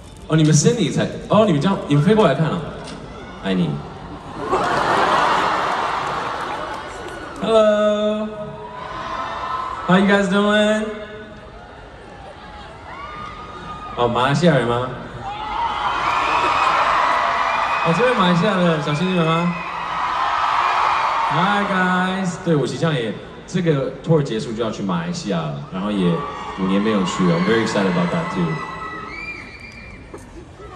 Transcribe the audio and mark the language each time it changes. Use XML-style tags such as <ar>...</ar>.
<zh>你们 Cindy 才，你们飞过来看了，爱你。</zh> <en>Hello, how you guys doing?</en> <zh>哦，马来西亚人吗？哦，这边马来西亚的小星星们吗？ Hi guys, 对，我即将也这个 tour 结束就要去马来西亚了，然后也5年没有去了 ， I'm very excited about that too.</zh>